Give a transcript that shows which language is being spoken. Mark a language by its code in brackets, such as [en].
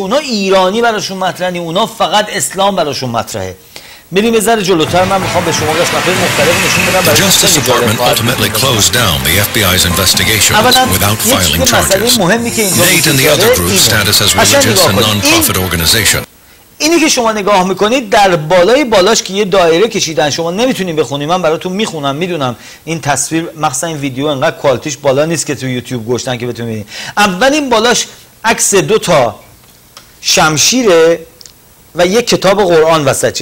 [fa] اونا ایرانی براشون مطرحنی، اونا فقط اسلام براشون مطرحه. میریم یه ذره جلوتر، من میخوام به شما قسمت های مختلف نشون بدم. [en] The Justice Department ultimately closed down the FBI's investigation without filing charges. Nate and the other group status as religious and non-profit organization. [fa] اینی که شما نگاه میکنید در بالای بالاش که یه دایره کشیدن، شما نمیتونید بخونید، من براتون میخونم، میدونم این تصویر مخصوصا این ویدیو انقدر کوالتیش بالا نیست که تو یوتیوب گوشتن که بتونید ببینید. اولین بالاش عکس دو تا شمشیره و یک کتاب قرآن وسطش.